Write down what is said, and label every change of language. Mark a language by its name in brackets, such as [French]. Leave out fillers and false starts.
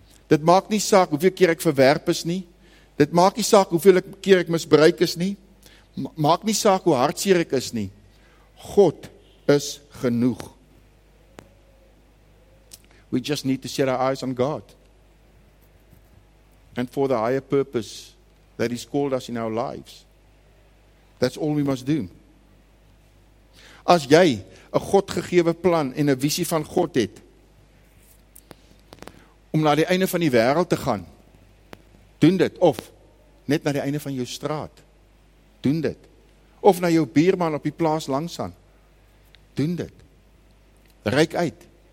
[Afrikaans] Dit maak nie saak hoeveel keer ek verwerp is nie. Dit maak nie saak hoeveel keer ek misbruik is nie. Maak nie saak hoe hartseer ek is nie. God is genoeg. [English] We just need to set our eyes on God. And for the higher purpose that He's called us in our lives. That's all we must do. [Afrikaans] As jy 'n God gegewe plan en 'n visie van God het, om na die einde van die wêreld te gaan, doen dit. Of net na die einde van jou straat, doen dit. Of na jou buurman op die plaas langsaan, doen dit. Reik uit.